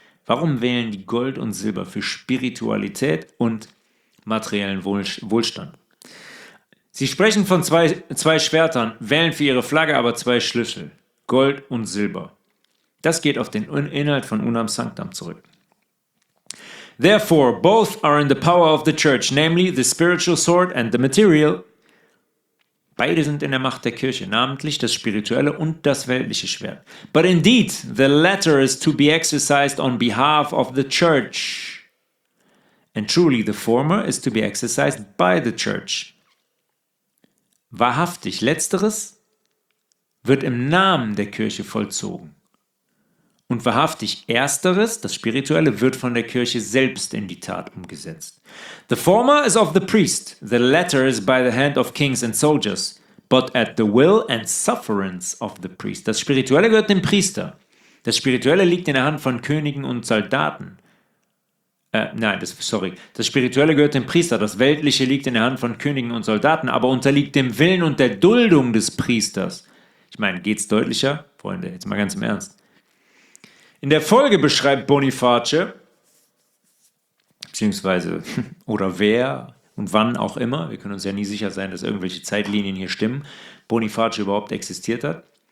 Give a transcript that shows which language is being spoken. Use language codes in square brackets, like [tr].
[de] Warum wählen die Gold und Silber für Spiritualität und materiellen Wohlstand? Sie sprechen von zwei Schwertern, wählen für ihre Flagge aber zwei Schlüssel, Gold und Silber. Das geht auf den Inhalt von Unam Sanctam zurück. [en] Therefore, both are in the power of the church, namely the spiritual sword and the material. [de] Beide sind in der Macht der Kirche, namentlich das spirituelle und das weltliche Schwert. [en] But indeed, the latter is to be exercised on behalf of the church. And truly, the former is to be exercised by the church. [de] Wahrhaftig, letzteres wird im Namen der Kirche vollzogen. Und wahrhaftig, ersteres, das spirituelle, wird von der Kirche selbst in die Tat umgesetzt. [en] The former is of the priest, the latter is by the hand of kings and soldiers, but at the will and sufferance of the priest. [de] Das spirituelle gehört dem Priester. Das spirituelle liegt in der Hand von Königen und Soldaten. Das spirituelle gehört dem Priester, das weltliche liegt in der Hand von Königen und Soldaten, aber unterliegt dem Willen und der Duldung des Priesters. Ich meine, geht's deutlicher? Freunde, jetzt mal ganz im Ernst. In der Folge beschreibt Boniface, beziehungsweise, oder wer und wann auch immer, wir können uns ja nie sicher sein, dass irgendwelche Zeitlinien hier stimmen, Boniface überhaupt existiert hat.